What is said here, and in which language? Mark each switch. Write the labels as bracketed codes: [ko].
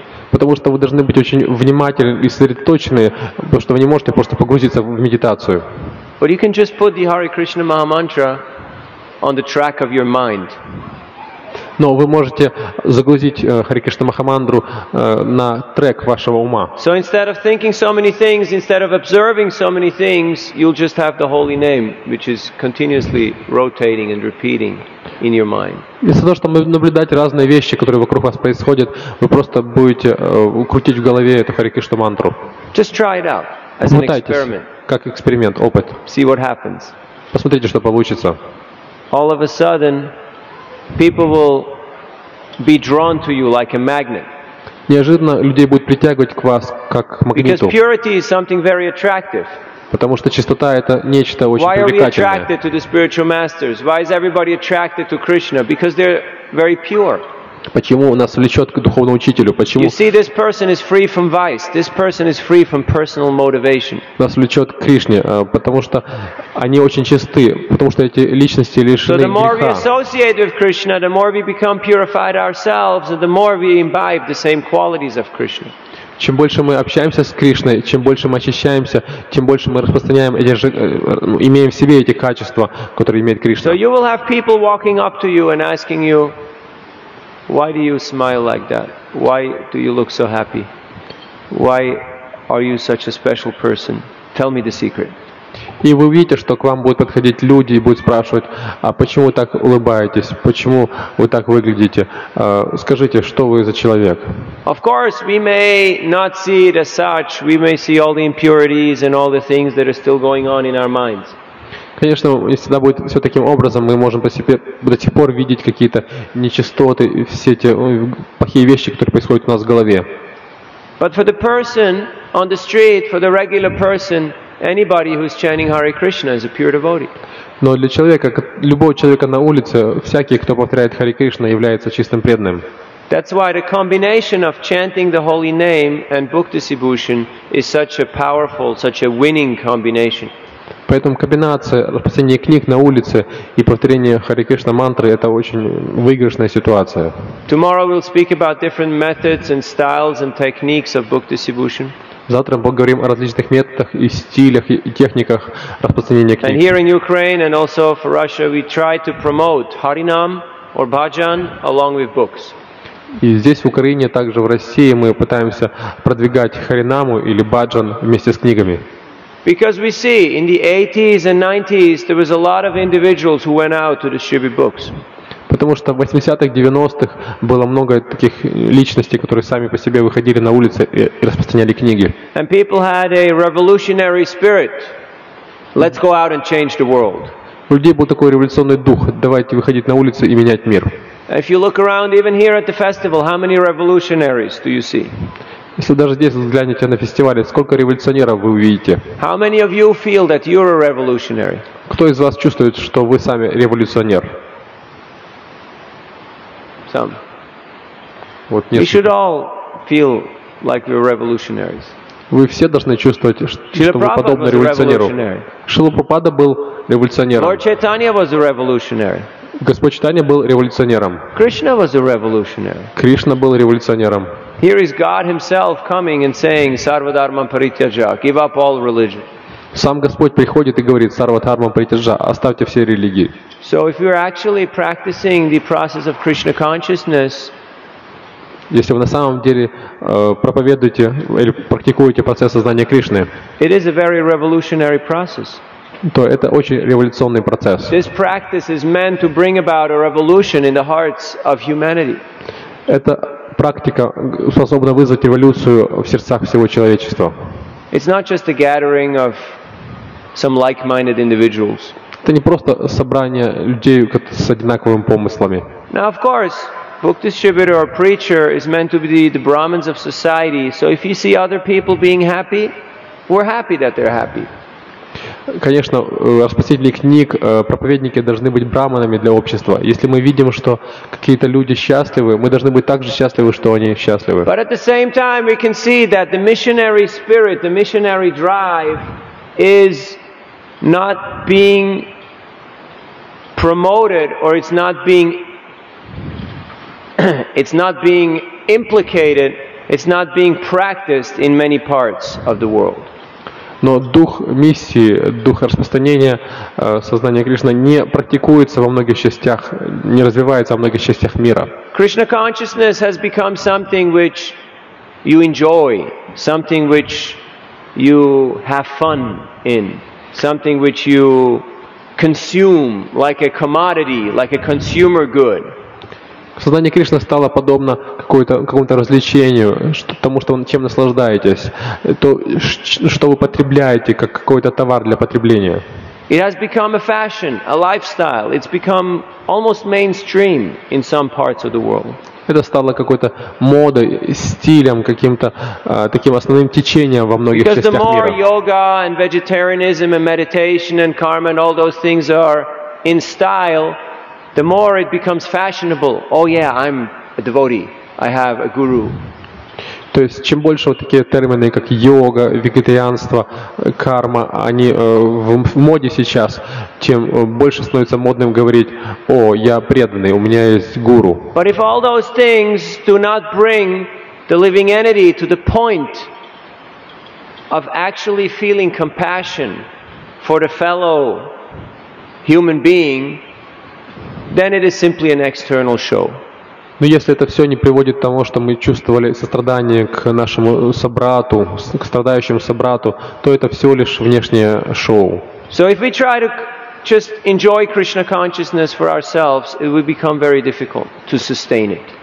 [ru] Потому что вы должны быть очень внимательны и сосредоточены, потому что вы не можете просто погрузиться в медитацию. [en] But you can just put the Hare Krishna Maha Mantra on the track of your mind. [ru] Но вы можете загрузить Хари Кришна Махамандру на трек вашего ума. [en] So instead of thinking so many things, instead of observing so many things, you'll just have the holy name, which is continuously rotating and repeating in your mind. [ru] Вместо того, чтобы наблюдать разные вещи, которые вокруг вас происходят, вы просто будете крутить в голове эту Хари Кришна мантру. [en] Just try it out as an experiment. [ru] Как эксперимент, опыт. [en] See what happens. [ru] Посмотрите, что получится. [en] All of a sudden, people will be drawn to you like a magnet. [ru] Неожиданно людей будет притягивать к вас как магниту. [en] Because purity is something very attractive. [ru] Потому что чистота это нечто очень привлекательное. [en] Why are we attracted to the spiritual masters? Why is everybody attracted to Krishna? Because they're very pure. [ru] Почему нас влечет к духовному учителю? Почему? [en] You see, this person is free from vice. This person is free from personal motivation. [ru] Нас влечет к Кришне, потому что они очень чисты, потому что эти личности лишены греха. [en] So the more we associate with Krishna, the more we become purified ourselves, and the more we imbibe the same qualities of Krishna. [ru] Чем больше мы общаемся с Кришной, чем больше мы очищаемся, тем больше мы распространяем, имеем в себе эти качества, которые имеет Кришна. [en] So you will have people walking up to you and asking you, why do you smile like that? Why do you look so happy? Why are you such a special person? Tell me the secret. [ru] и вы увидите, что к вам будут подходить люди и будут спрашивать, а почему вы так улыбаетесь, почему вы так выглядите, скажите, что вы за человек. [en] Of course, we may not see it as such. We may see all the impurities and all the things that are still going on in our minds. [ru] Конечно, если всегда будет все таким образом, мы можем по себе до сих пор видеть какие-то нечистоты, все эти плохие вещи, которые происходят у нас в голове. [en] But for the person on the street, for the regular person, anybody who's chanting Hare Krishna is a pure devotee. [ru] Но для человека, любого человека на улице, всякий, кто повторяет Hare Krishna, является чистым преданным. [en] That's why the combination of chanting the holy name and book distribution is such a powerful, such a winning combination. [ru] Поэтому комбинация распространения книг на улице и повторение Hare Krishna мантры – это очень выигрышная ситуация. [en] Tomorrow we'll speak about different methods and styles and techniques of book distribution. [ru] Завтра мы поговорим о различных методах и стилях и техниках распространения книг. [en] And here in Ukraine and also for Russia, we try to promote Harinam or Bhajan along with books. [ru] И здесь, в Украине, также в России, мы пытаемся продвигать Харинаму или Баджан вместе с книгами. [en] Because we see in the 80s and 90s there was a lot of individuals who went out to distribute books. [ru] Потому что в 80-х, 90-х было много таких личностей, которые сами по себе выходили на улицы и распространяли книги. [en] And people had a revolutionary spirit. Let's go out and change the world. [ru] У людей был такой революционный дух: давайте выходить на улицы и менять мир. [en] If you look around even here at the festival, how many revolutionaries do you see? [ru] Если даже здесь взглянете на фестивале, сколько революционеров вы увидите? [en] How many of you feel that you're a revolutionary? [ru] Кто из вас чувствует, что вы сами революционер? [en] Some. [ru] Вот несколько. [en] We should all feel like we're revolutionaries. [ru] Вы все должны чувствовать, что вы подобны революционеру. Шрила Прабхупада был революционером. [en] Lord Chaitanya was a revolutionary. [ru] Господь Чайтанья был революционером. [en] Krishna was a revolutionary. [ru] Кришна был революционером. [en] Here is God himself coming and saying [sa] Sarva Dharma Parityaja, [en] give up all religion. [ru] Сам Господь приходит и говорит: [sa] Sarva Dharma Parityaja, [ru] оставьте все религии. [en] So if you're actually practicing the process of Krishna consciousness, [ru] если вы на самом деле проповедуете или практикуете процесс сознания Кришны, [en] it is a very revolutionary process. [ru] То это очень революционный процесс. [en] This practice is meant to bring about a revolution in the hearts of humanity. [ru] Это практика способна вызвать революцию в сердцах всего человечества. [en] It's not just a gathering of some like-minded individuals. [ru] Это не просто собрание людей с одинаковыми помыслами. [en] Now, of course, book distributor or preacher is meant to be the Brahmins of society. So if you see other people being happy, we're happy that they're happy. [ru] Конечно, распространители книг, проповедники должны быть браманами для общества. Если мы видим, что какие-то люди счастливы, мы должны быть так же счастливы, что они счастливы. [en] But at the same time, we can see that the missionary spirit, the missionary drive is not being promoted or it's not being implicated, it's not being practiced in many parts of the world. [ru] Но дух миссии, дух распространения сознания Кришны не практикуется во многих частях, не развивается во многих частях мира. [en] Krishna consciousness has become something which you enjoy, something which you have fun in, something which you consume like a commodity, like a consumer good. [ru] Сознание Кришны стало подобно какому-то развлечению, тому, что чем наслаждаетесь, то, что вы потребляете, как какой-то товар для потребления. [en] It has become a fashion, a lifestyle. It's become almost mainstream in some parts of the world. [ru] Это стало какой-то модой, стилем, каким-то таким основным течением во многих [en] Because [ru] частях мира. [en] Because the more yoga and vegetarianism and meditation and karma and all those things are in style, the more it becomes fashionable. Oh yeah, I'm a devotee. I have a guru. [ru] То есть чем больше вот такие термины, как йога, вегетарианство, карма, они в моде сейчас, тем больше становится модным говорить: "О, я преданный, у меня есть гуру". [en] But if all those things do not bring the living entity to the point of actually feeling compassion for the fellow human being, then it is simply an external show. [ru] Но если это все не приводит к тому, что мы чувствовали сострадание к нашему собрату, к страдающему собрату, то это всего лишь внешнее шоу. [en] So if we try to just enjoy Krishna consciousness for ourselves, it will become very difficult to sustain it.